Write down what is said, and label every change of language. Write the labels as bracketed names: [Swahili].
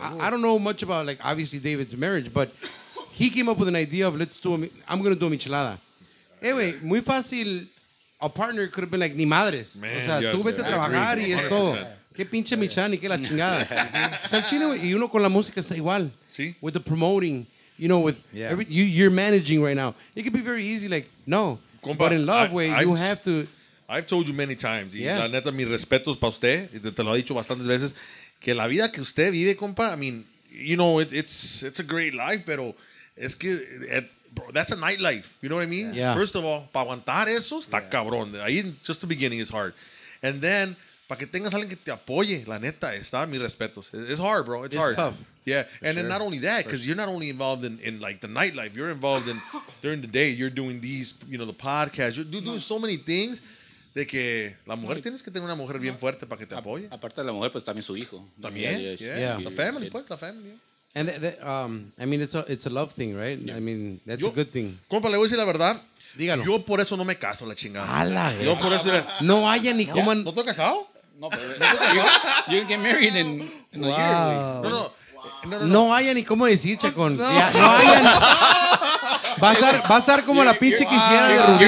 [English] I don't know much about, like, obviously David's marriage, but he came up with an idea of, let's do... I'm going to do a michelada. [Spanish] Hey, güey, muy fácil [English] a partner could have been like, [Spanish] ni madres. Man, o sea, yes, tú vete a trabajar y es todo. Qué pinche michan y qué la chingada. O sea, el chile, y uno con la música está igual. Sí. [English] With the promoting, you know, with every, you're managing right now. It could be very easy, like, no. Compa, but in love, you have to. I've told you many times. [Spanish] Y la neta, mis respetos para usted. Y te lo he dicho bastantes veces. Que la vida que usted vive, compa, [English] I mean, you know, it's a great life, [Spanish] pero es que, [English] bro, that's a nightlife. You know what I mean? Yeah. First of all, [Spanish] para aguantar eso, está cabrón. Ahí, [English] just the beginning is hard. And then, [Spanish] para que tengas alguien que te apoye, la neta, está, mis respetos. [English] It's hard, bro. It's hard. It's tough. Yeah, for and sure. Then not only that, because you're not only involved in like the nightlife, you're involved in, during the day, you're doing these, you know, the podcast, you're doing so many things. [Spanish] De que la mujer tienes que tener una mujer bien fuerte para que te apoye. Aparte de la mujer, pues también su hijo. También. Yeah. La family, pues, la family. [English] And I mean, it's a love thing, right? Yeah. I mean, that's a good thing. [Spanish] Compa, le voy a decir la verdad. Dígalo. Yo por eso no me caso, la chingada. ¡Hala! Yo por eso. No haya ni cómo. ¿No te has casado? No, pero. [English] You can get married in a year. [Spanish] No, no. No haya ni cómo decir, Chacón. No haya ni. Va a ser como la pinche quisiera de Rubín.